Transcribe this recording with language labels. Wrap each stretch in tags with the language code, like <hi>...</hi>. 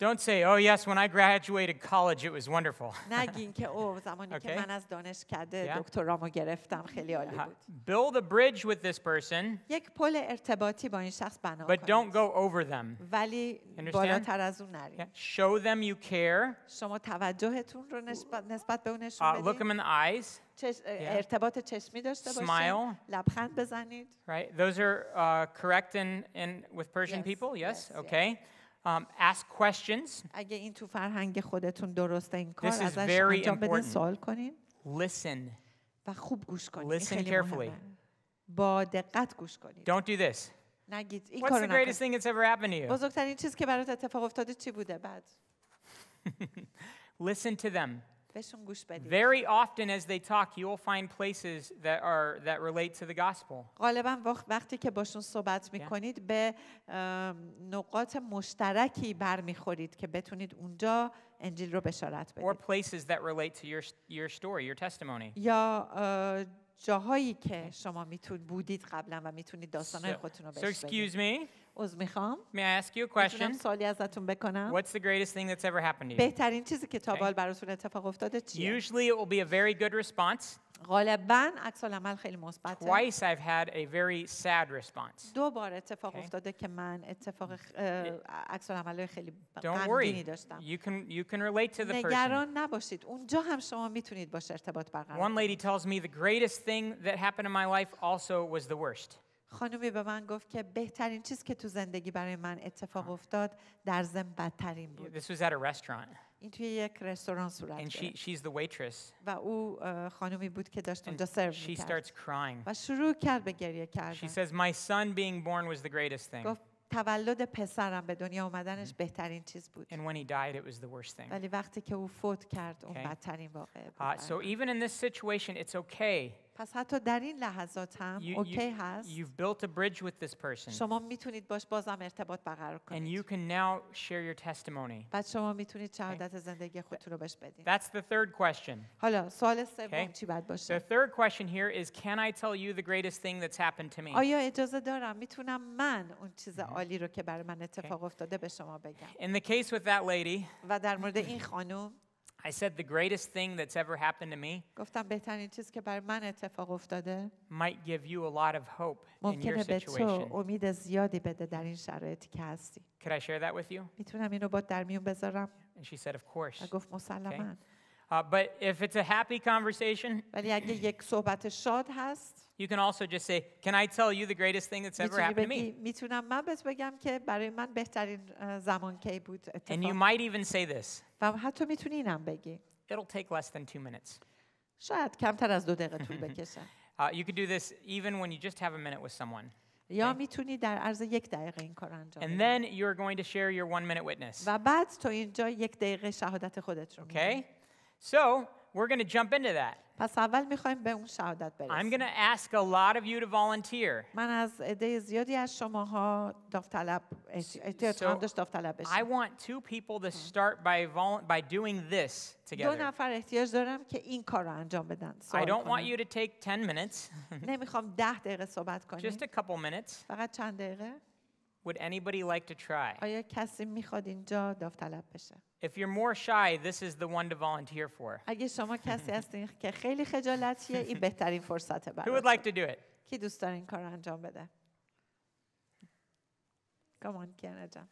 <en>Don't say, oh yes, when I graduated college, it was wonderful.</en> <fa>نگین که اوه زمانی که من از دانشکده دکترامو گرفتم خیلی عالی بود.</fa> <en>Build a bridge with this person.</en> <fa>یک پل ارتباطی با این شخص بنا کنید.</fa> <en>But don't go over them.</en> <fa>ولی بالاتر از اون نرید.</fa> <en>Show them you care.</en> <fa>شما توجهتون رو نسبت به اون نشون بدید.</fa> <en>Look them in the eyes.</en> <fa>ارتباط چشمی داشته باشید.</fa> <en>Smile.</en> <fa>لبخند بزنید.</fa> <en>Right. Those are correct in with Persian people. Yes. Okay. Ask questions.</en> <fa>اگه این تو فرهنگ خودتون درسته این کار ازش انجام بدین سوال کنین.</fa> <en>Listen.</en> <fa>و خوب گوش کنین.</fa> <en>Listen carefully.</en> <fa>با دقت گوش کنین.</fa> <en>Don't do this.</en> <fa>نگید این کارو نکنید.</fa> <en>What's the greatest thing that's ever happened to you?</en> <fa>بزرگترین چیزی که برات اتفاق افتاده چی بوده بعد؟</fa> <en>Listen to them. Very often as they talk you will find places that relate to the gospel.</en> <fa>غالبا وقتی که باشون صحبت میکنید به نقاط مشترکی برمیخورید که بتونید اونجا انجیل رو بشارت بدید.</fa> <en>Or places that relate to your story, your testimony.</en> <fa>یا جاهایی که شما میتونید بودید قبلا و میتونید داستانای خودتون رو بشارت بدید.</fa> <en>So excuse me.</en> <fa>از میخوام.</fa> <en>May I ask you a question?</en> <fa>میتونم سوالی ازتون بکنم.</fa> <en>What's the greatest thing that's ever happened to you?</en> <fa>بهترین چیزی که تا به حال براتون اتفاق افتاده چیه؟</fa> <en>Usually it will be a very good response.</en> <fa>غالباً عکس العمل خیلی مثبته.</fa> <en>Twice I've had a very sad response.</en> <fa>دو بار اتفاق افتاده که من اتفاق عکس العمل خیلی غمگینی داشتم.</fa> <en>You can relate to the person.</en> <fa>نگران نباشید. اونجا هم شما میتونید با ارتباط برقرار.</fa> <en>One lady tells me the greatest thing that happened in my life also was the worst.</en> <fa>خانومی به من گفت که بهترین چیز که تو زندگی برای من اتفاق افتاد در زم بدترین بود.</fa> <en>This was at a restaurant.</en> <fa>این توی یک رستوران صورت گرفت.</fa> <en>And she's the waitress.</en> <fa>و او خانومی بود که داشت اونجا سرو می‌کرد.</fa> <en>She starts crying.</en> <fa>و شروع کرد به گریه کردن.</fa> <en>She says my son being born was the greatest thing.</en> <fa>گفت تولد پسرم به دنیا اومدنش بهترین چیز بود.</fa> <en>And when he died it was the worst thing.</en> <fa>ولی وقتی که او فوت کرد اون بدترین واقعه بود.</fa> <en>So even in this situation it's okay.</en> <fa>پس حتی در این لحظات هم اوکی هست.</fa> <en>You've built a bridge with this person.</en> <fa>شما میتونید باش بازم ارتباط برقرار کنید.</fa> <en>And you can now share your testimony.</en> <fa>بعد شما میتونید شهادت زندگی خودتون رو بهش بدین.</fa> <en>That's the third question.</en> <fa>حالا سوال سوم چی باید باشه؟</fa> <en>The third question here is can I tell you the greatest thing that's happened to me?</en> <fa>آیا اجازه دارم میتونم من اون چیز عالی رو که برای من اتفاق افتاده به شما بگم؟</fa> <en>In the case with that lady.</en> <fa>و در مورد این خانم</fa> <en>I said the greatest thing that's ever happened to me.</en> <fa>گفتم بهترین چیزی که برای من اتفاق افتاده.</fa> <en>Might give you a lot of hope in your situation.</en> <fa>ممکنه امید زیادی بده در این شرایطی که هستی.</fa> <en>Could I share that with you?</en> <fa>میتونم اینو با در میون بذارم.</fa> <en>And she said, of course.</en> <fa>گفت مسلما.</fa> <en>But if it's a happy conversation,</en> <fa>ولی اگه یک صحبت شاد هست,</fa> <en>you can also just say, can I tell you the greatest thing that's ever happened to me?</en> <fa>میتونم من بهت بگم که برای من بهترین زمان کی بود اتفاق.</fa> <en>And you might even say this.</en> <fa>حتی میتونی اینم بگی.</fa> <en>It'll take less than 2 minutes.</en> <fa>شاید کمتر از 2 دقیقه طول بکشه.</fa> <en>You could do this even when you just have a minute with someone.</en> <fa>یا میتونی در عرض 1 دقیقه این کار انجام بدی.</fa> <en>And then you're going to share your 1 minute witness.</en> <fa>و بعد تو اینجا 1 دقیقه شهادت خودت رو.</fa> <en>Okay? So, we're going to jump into that.</en> <fa>پس اول می‌خوایم به اون شهادت برسیم.</fa> <en>I'm going to ask a lot of you to volunteer.</en> <fa>من از عده زیادی از شماها داوطلب احتیاج داشت داوطلب بشید.</fa> <en>I want 2 people to start by doing this together.</en> <fa>دو نفر احتیاج دارم که این کار را انجام بدن.</fa> <en>I don't want you to take 10 minutes.</en> <fa>نمی‌خوام 10 دقیقه صحبت کنی.</fa> <en>Just a couple minutes.</en> <fa>فقط چند دقیقه.</fa> <en>Would anybody like to try?</en> <fa>آیا کسی می‌خواد اینجا داوطلب بشه؟</fa> <en>If you're more shy, this is the one to volunteer for.</en> <fa>اگه شما کسی هستین که خیلی خجالتیه، این بهترین فرصته براتون.</fa> <en>Who would like to do it?</en> <fa>کی دوست داره این کارو انجام بده؟</fa> <en>Come on, Canada.</en>